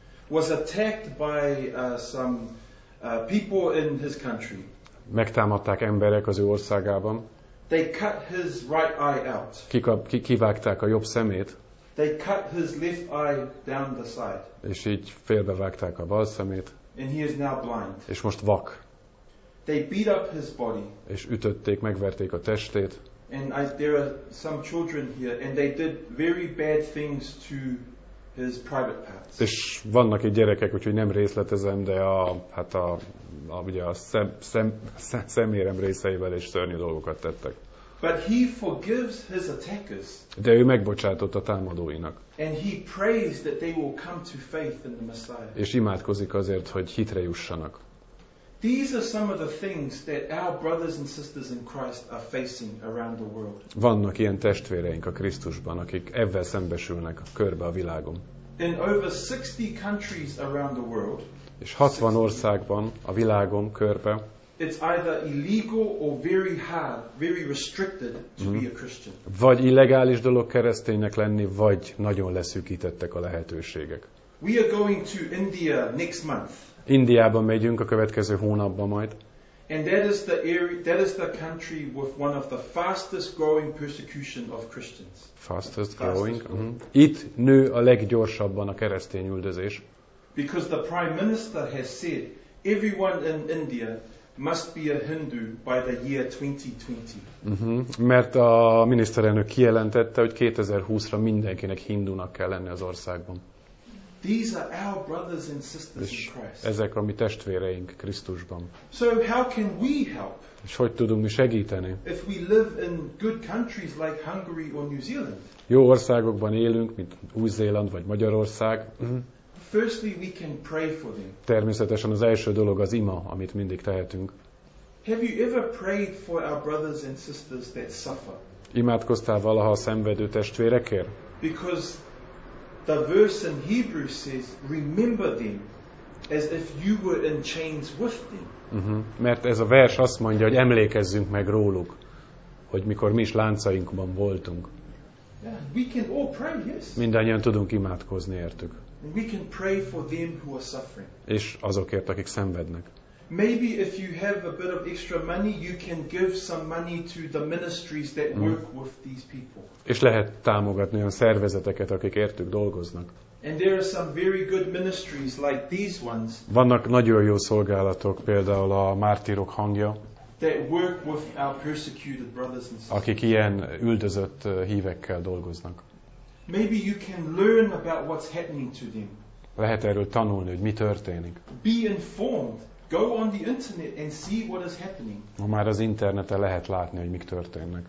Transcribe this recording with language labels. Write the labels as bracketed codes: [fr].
[en] Was attacked by some people in his country. [hu] Megtámadták emberek az ő országában. [en] They cut his right eye out. [hu] Kivágták a jobb szemét. [en] They cut his left eye down the side. [hu] És így félbevágták a bal szemét. [en] And he is now blind. [hu] És most vak. [en] They beat up his body. [hu] És ütötték, megverték a testét. [en] And there are some children here, and they did very bad things to his private parts. [hu] És vannak itt gyerekek, úgyhogy nem részletezem, de a hát a ugye a szemérem részeivel is szörnyű dolgokat tettek. [en] But he forgives his attackers. [hu] De ő megbocsátott a támadóinak. [en] And he prays that they will come to faith in the Messiah. [hu] És imádkozik azért, hogy hitre jussanak. [en] These are some of the things that our brothers and sisters in Christ are facing around the world. [hu] Vannak ilyen testvéreink a Krisztusban, akik ebben szembesülnek a körbe a világon. [en] In over 60 countries around the world. [hu] És 60 országban a világon körbe. [en] It's either illegal or very hard, very restricted to be a Christian. [hu] Vagy illegális dolog kereszténynek lenni, vagy nagyon leszűkítettek a lehetőségek. [en] We are going to India next month. [hu] Indiába megyünk a következő hónapban majd. [en] And that is the area, that is the country with one of the fastest growing persecution of Christians. Fastest growing. [hu] Itt nő a leggyorsabban a keresztény üldözés. [en] Because the Prime Minister has said everyone in India must be a Hindu by the year 2020. [hu] Mert a miniszterelnök kijelentette, hogy 2020-ra mindenkinek hindunak kell lenni az országban. [en] These are our brothers and sisters in Christ. [hu] Ezek a mi testvéreink Krisztusban. [en] So how can we help? [hu] És hogy tudunk mi segíteni? [en] If we live in good countries like Hungary or New Zealand. [hu] Jó országokban élünk, mint Új-Zéland vagy Magyarország. [en] Firstly, we can pray for them. [hu] Természetesen az első dolog az ima, amit mindig tehetünk. [en] Have you ever prayed for our brothers and sisters that suffer? [hu] Imádkoztál valaha a szenvedő testvérekért? [en] Because the verse in Hebrews says, "Remember them as if you were in chains with them." [hu] Mert ez a vers azt mondja, hogy emlékezzünk meg róluk, hogy mikor mi is láncainkban voltunk. [en] Yeah, we can all pray, yes. [hu] Mindannyian tudunk imádkozni értük. [en] And we can pray for them who are suffering. [hu] És azokért, akik szenvednek. [en] Maybe if you have a bit of extra money, you can give some money to the ministries that work with these people. [hu] És lehet támogatni olyan szervezeteket, akik értük dolgoznak. [en] And there are some very good ministries like these ones. [hu] Vannak nagyon jó szolgálatok, például a Mártírok Hangja. [en] That work with our persecuted brothers and sisters. [hu] Akik ilyen üldözött hívekkel dolgoznak. [en] Maybe you can learn about what's happening to them. [hu] Lehet erről tanulni, hogy mi történik. [en] Be informed. Go on the internet and see what is happening. [hu] Ma már az interneten lehet látni, hogy mik történnek.